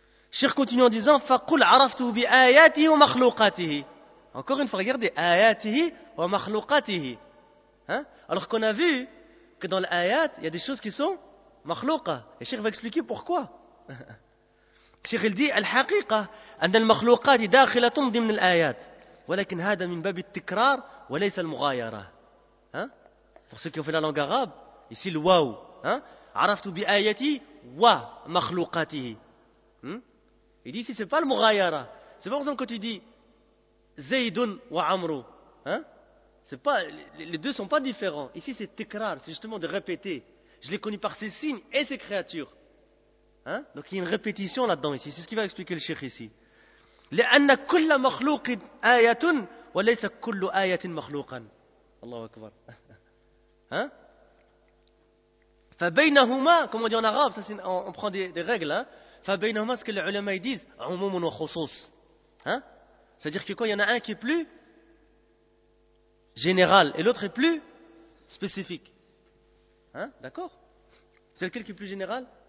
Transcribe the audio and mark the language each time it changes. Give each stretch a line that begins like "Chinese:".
French: Cheikh continue en disant,
Arabic: فَقُلْ عَرَفْتُهُ بِآيَاتِهِ وَمَخْلُوقَاتِهِ.
French: Encore une fois, regardez,
Arabic: آيَاتِهِ وَمَخْلُوقَاتِهِ.
French: Hein? Alors qu'on a vu que dans l'ayat, il y a des choses qui sont makhlouqa. Et Cheikh va expliquer pourquoi. Cheikh, il dit,
Arabic: الحقيقه ان المخلوقات داخله ضمن الايات ولكن هذا من باب التكرار وليس المغايره.
French: Hein? Pour ceux qui ont fait la langue arabe, ici le waw,
Arabic: عرفت بآياتي ومخلوقاته.
French: Il dit ici, c'est pas le mughayara. C'est pas, par exemple, quand tu dis Zaydun wa Amru. C'est pas, les deux sont pas différents. Ici, c'est tikrar, c'est justement de répéter. Je l'ai connu par ses signes et ses créatures. Hein? Donc, il y a une répétition là-dedans ici. C'est ce qui va expliquer le cheikh ici.
Arabic: لأن كل مخلوق آية وليس كل آية مخلوقا.
French: Allahu Akbar. Hein? فبينهما, comme on dit en arabe, ça c'est, on prend des règles. Hein? فبينهما, ce que les ulama disent,
Arabic: عموم وخصوص.
French: Hein? C'est-à-dire que quand il y en a un qui est plus général et l'autre est plus spécifique. Hein? D'accord? C'est lequel qui est plus général?